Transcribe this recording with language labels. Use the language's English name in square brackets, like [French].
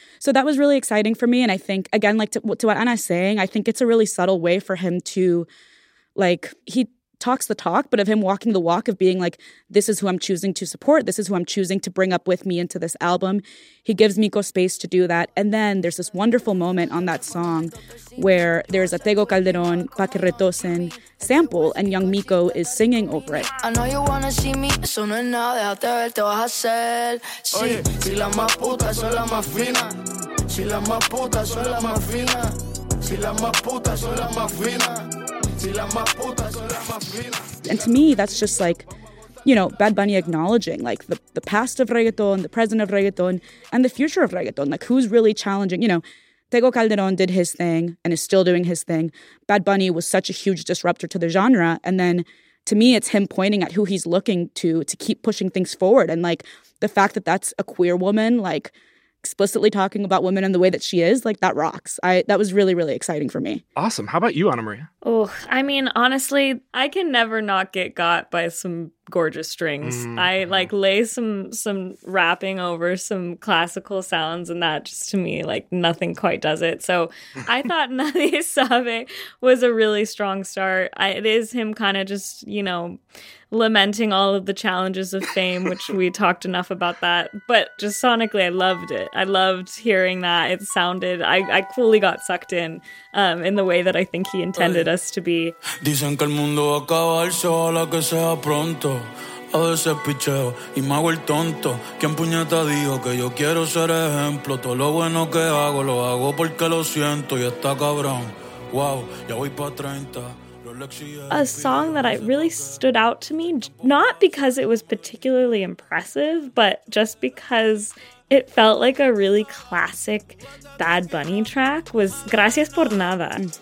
[English] So that was really exciting for me. And I think, again, like to what Ana's saying, I think it's a really subtle way for him to, like, he talks the talk, but of him walking the walk of being like, this is who I'm choosing to support. This is who I'm choosing to bring up with me into this album. He gives Mico space to do that. And then there's this wonderful moment on that song where there's a Tego Calderon, Pa Que Retosen sample, and young Mico is singing over it. I know you wanna see me, [Spanish] eso no es nada, déjate ver, te vas a hacer. Si, si la más puta, soy la más fina. Si la más puta, soy la más fina. Si la más puta, soy la más fina. [English] And to me, that's just like, you know, Bad Bunny acknowledging like the past of reggaeton, the present of reggaeton, and the future of reggaeton. Like, who's really challenging? You know, Tego Calderon did his thing and is still doing his thing. Bad Bunny was such a huge disruptor to the genre. And then to me, it's him pointing at who he's looking to keep pushing things forward. And like the fact that that's a queer woman, like, explicitly talking about women in the way that she is, like, that rocks. That was really, really exciting for me. Awesome. How about you, Ana Maria? Oh, I mean, honestly, I can never not get got by some gorgeous strings. Mm-hmm. I like lay some rapping over some classical sounds, and that just to me, like, nothing quite does it. So I thought Nadie Sabe was a really strong start. It is him kind of just, you know, lamenting all of the challenges of fame, which we talked enough about that. But just sonically, I loved it. I loved hearing that. It sounded, I fully got sucked in the way that I think he intended us to be. [Spanish] Dicen que el mundo va a acabarse, ojalá que sea pronto. A veces picheo y me hago el tonto. ¿Quién puñeta dijo que yo quiero ser ejemplo? Todo lo bueno que hago, lo hago porque lo siento. Y está cabrón, wow, ya voy pa' 30. [English] A song that really stood out to me, not because it was particularly impressive, but just because it felt like a really classic Bad Bunny track, was Gracias Por Nada.